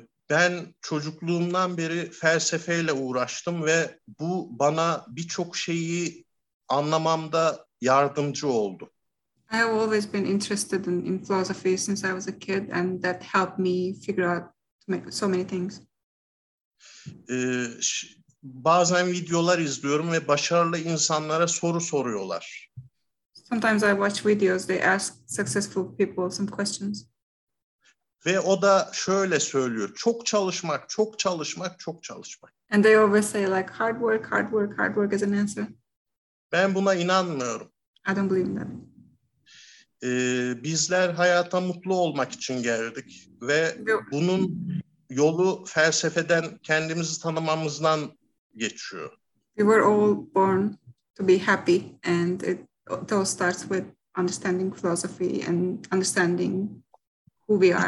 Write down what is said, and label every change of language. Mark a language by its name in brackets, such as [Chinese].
[Turkish] Ben çocukluğumdan beri felsefeyle uğraştım ve bu bana birçok şeyi anlamamda yardımcı oldu. [English] I have always been interested in philosophy since I was a kid, and that helped me figure out so many things. [Turkish] Bazen videolar izliyorum ve başarılı insanlara soru soruyorlar. [English] Sometimes I watch videos, they ask successful people some questions. [Turkish] Ve o da şöyle söylüyor, çok çalışmak, çok çalışmak, çok çalışmak. [English] And they always say like hard work, hard work, hard work as an answer. [Turkish] Ben buna inanmıyorum. [English] I don't believe in that. [Turkish] Bizler hayata mutlu olmak için geldik ve bunun yolu felsefeden, kendimizi tanımamızdan geçiyor. [English] We were all born to be happy, and it all starts with understanding philosophy and understanding who we are.